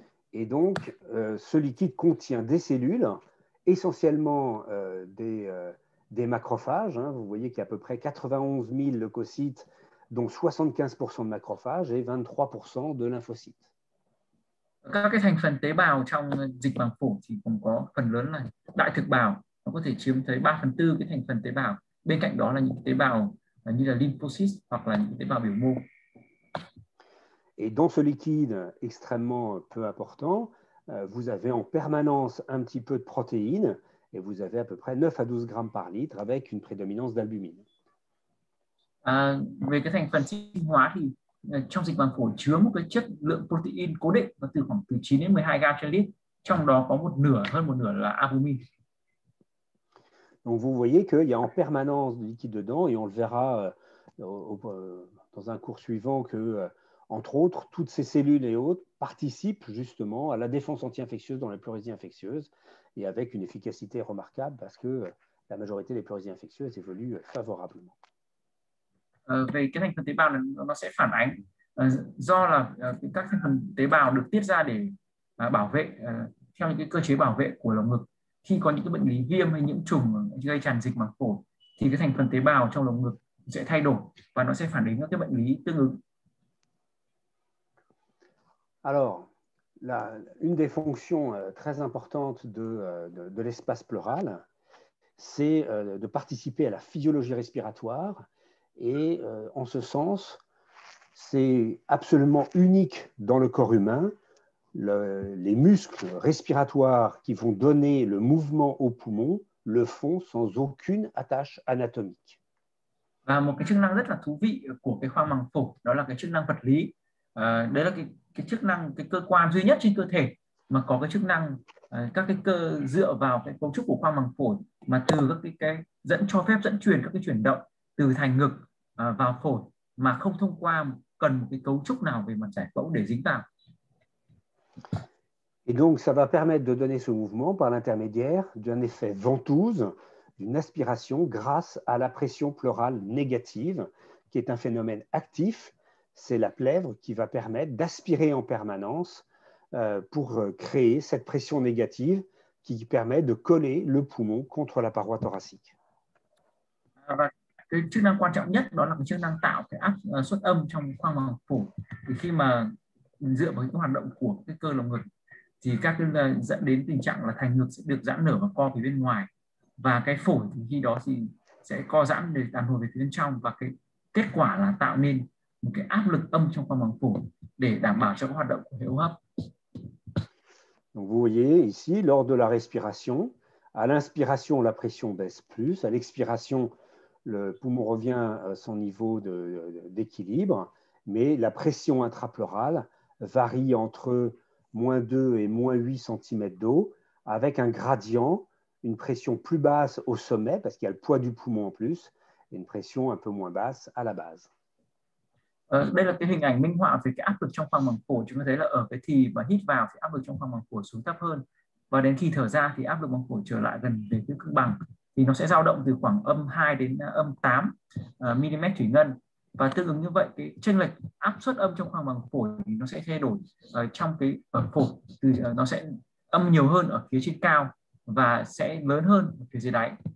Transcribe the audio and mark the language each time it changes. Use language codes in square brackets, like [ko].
[fr] Et donc, ce liquide contient des cellules, essentiellement des macrophages, hein. Vous voyez qu'il y a à peu près 91 000 leucocytes, dont 75% de macrophages et 23% de lymphocytes. [vi] Các cái thành phần tế bào trong dịch màng phổi thì cũng có phần lớn là đại thực bào nó có thể chiếm tới 3 phần 4 cái thành phần tế bào. Bên cạnh đó là những tế bào như là lymphocyte hoặc là những tế bào biểu mô. [fr] Et dans ce liquide extrêmement peu important, vous avez en permanence un petit peu de protéines. Et vous avez à peu près 9 à 12 grammes par litre avec une prédominance d'albumine. [vi] Về cái thành phần sinh hóa thì trong dịch màng phổi chứa một cái chất lượng protein cố định và từ khoảng từ 9 đến 12 gram trên lít, trong đó có một nửa hơn một nửa là albumin. [fr] Donc vous voyez qu'il y a en permanence du liquide dedans et on le verra dans un cours suivant que, entre autres, toutes ces cellules et autres participent justement à la défense anti-infectieuse dans les pleurésies infectieuses et avec une efficacité remarquable parce que la majorité des pleurésies infectieuses évoluent favorablement. [vi] Về cái thành phần tế bào này, nó sẽ phản ánh do là các thành phần tế bào được tiết ra để bảo vệ theo những cái cơ chế bảo vệ của lồng ngực khi có những cái bệnh lý viêm hay nhiễm trùng gây tràn dịch màng phổi thì cái thành phần tế bào trong lồng ngực sẽ thay đổi và nó sẽ phản ứng các cái bệnh lý tương ứng. [fr] Alors, une des fonctions très importantes de l'espace pleural, c'est de participer à la physiologie respiratoire. Et en ce sens, c'est absolument unique dans le corps humain. Les muscles respiratoires qui vont donner le mouvement aux poumons le font sans aucune attache anatomique. [vi] Và một cái chức năng rất là thú vị của cái khoang màng phổi đó là cái chức năng vật lý. Đây là cái chức năng, cái cơ quan duy nhất trên cơ thể mà có cái chức năng các cái cơ dựa vào cái cấu trúc của khoang màng phổi mà từ các cái dẫn cho phép dẫn truyền các cái chuyển động từ thành ngực vào phổi mà không thông qua cần một cái cấu trúc nào về mặt giải phẫu để dính vào. [fr] Et donc, ça va permettre de donner ce mouvement par l'intermédiaire d'un effet ventouse, d'une aspiration grâce à la pression pleurale négative, qui est un phénomène actif. C'est la plèvre qui va permettre d'aspirer en permanence pour créer cette pression négative qui permet de coller le poumon contre la paroi thoracique. [vi] Và cái chức năng quan trọng nhất đó là cái chức năng tạo cái áp suất âm trong khoang màng phổi. Thì khi mà dựa vào cái hoạt động của cái cơ lồng ngực thì các cái dẫn đến tình trạng là thành ngực sẽ được giãn nở và co về bên ngoài, và cái phổi thì khi đó thì sẽ co giãn để đàn hồi về phía bên trong, và cái kết quả là tạo nên một cái áp lực âm trong khoang màng phổi để đảm bảo cho cái hoạt động của hệ hô hấp. [fr] Donc vous voyez ici, lors de la respiration, à l'inspiration, la pression baisse plus, à l'expiration, le poumon revient à son niveau d'équilibre, mais la pression intrapleurale varie entre moins 2 et moins 8 cm d'eau, avec un gradient, une pression plus basse au sommet, parce qu'il y a le poids du poumon en plus, et une pression un peu moins basse à la base. [vi] Đây là cái hình ảnh minh họa về cái áp lực trong khoang màng phổi. Chúng ta thấy là ở cái thì mà hít vào thì áp lực trong khoang màng phổi xuống thấp hơn, và đến khi thở ra thì áp lực màng phổi trở lại gần về cái cân bằng, thì nó sẽ dao động từ khoảng âm 2 đến âm 8 mm thủy ngân. Và tương ứng như vậy cái chênh lệch áp suất âm trong khoang màng phổi thì nó sẽ thay đổi trong cái ở phổi, từ nó sẽ âm nhiều hơn ở phía trên cao và sẽ lớn hơn ở phía dưới đáy.